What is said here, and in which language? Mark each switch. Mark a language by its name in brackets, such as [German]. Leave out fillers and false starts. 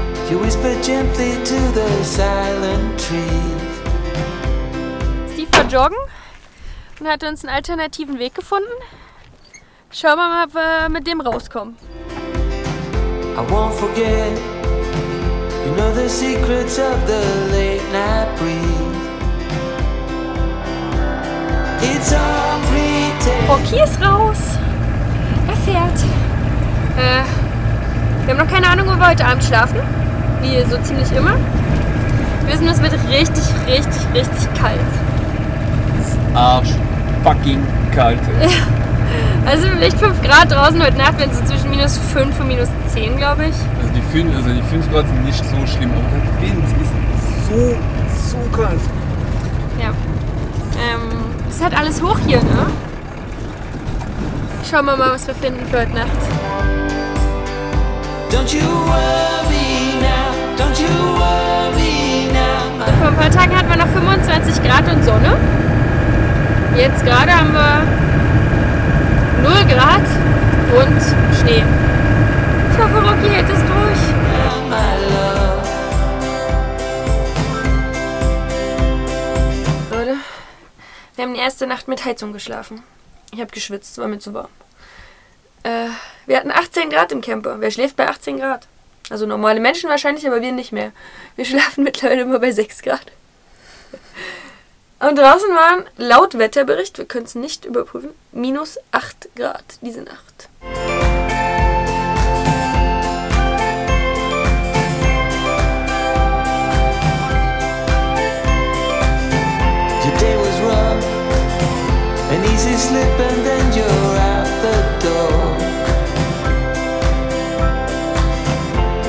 [English] You whisper gently to the silent trees. [German] Steve war joggen und hat uns einen alternativen Weg gefunden. Schauen wir mal, ob wir mit dem rauskommen. [English] I won't forget. You know the secrets of the late night breeze. It's all pretend. [German] Rocky ist raus. Er fährt. Wir haben noch keine Ahnung, wo wir heute Abend schlafen. Wie so ziemlich immer. Wir wissen, es wird richtig, richtig, richtig kalt. Arsch fucking kalt. Also vielleicht 5 Grad draußen heute Nacht, wenn es so zwischen minus 5 und minus 10, glaube ich. Also die 5 Grad sind nicht so schlimm, aber der Wind ist so, so kalt. Ja. Es ist halt alles hoch hier, ne? Schauen wir mal, was wir finden für heute Nacht. [English] Don't you worry now, don't you worry now. [German] Also vor ein paar Tagen hatten wir noch 25 Grad und Sonne. Jetzt gerade haben wir 0 Grad und Schnee. Ich hoffe, Rocky hält es durch. Leute, wir haben die erste Nacht mit Heizung geschlafen. Ich habe geschwitzt, war mir zu warm. Wir hatten 18 Grad im Camper. Wer schläft bei 18 Grad? Also normale Menschen wahrscheinlich, aber wir nicht mehr. Wir schlafen mittlerweile immer bei 6 Grad. Und draußen waren, laut Wetterbericht, wir können es nicht überprüfen, minus 8 Grad diese Nacht. [English] The day was rough, an easy slip and then you're out the door.